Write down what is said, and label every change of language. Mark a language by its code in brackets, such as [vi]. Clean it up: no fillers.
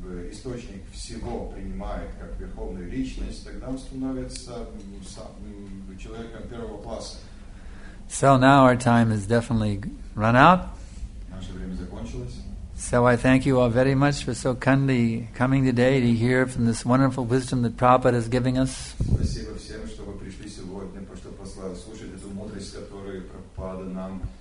[ru] Источник всего принимает как верховную личность, тогда он становится человеком первого класса. [en] So now our time has definitely run out. [ru] Наше время закончилось. [en] So I thank you all very much for so kindly coming today to hear from this wonderful wisdom that Prabhupada is giving us. [ru] Спасибо всем, что вы пришли сегодня, что послали слушать эту мудрость, которую Прабхупада нам.